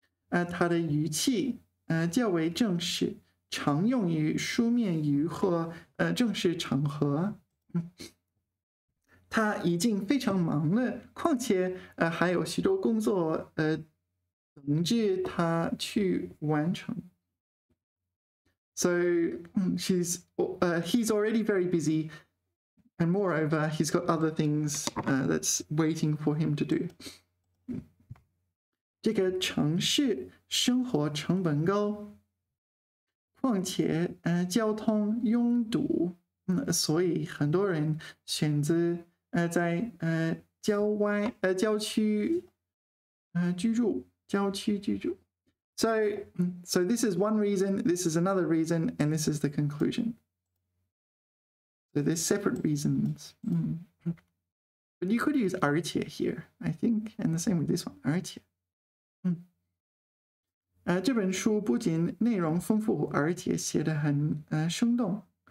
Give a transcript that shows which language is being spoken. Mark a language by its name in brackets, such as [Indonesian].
[Chinese] 它的语气, 较为正式, 常用于书面语和, 正式场合。他已经非常忙了, 况且, 还有许多工作, 等着他去完成。 [English] So she's he's already very busy, and moreover, he's got other things that's waiting for him to do. [Chinese] 这个城市生活成本高, 况且, 交通拥堵, 所以很多人选择, 在, 郊外, 郊区, 居住, 郊区居住。 [English] So this is one reason, this is another reason, and this is the conclusion. So there's separate reasons. But you could use 而且 here, I think, and the same with this one, 而且. [Chinese] 这本书不仅内容丰富, 而且写得很, 生动。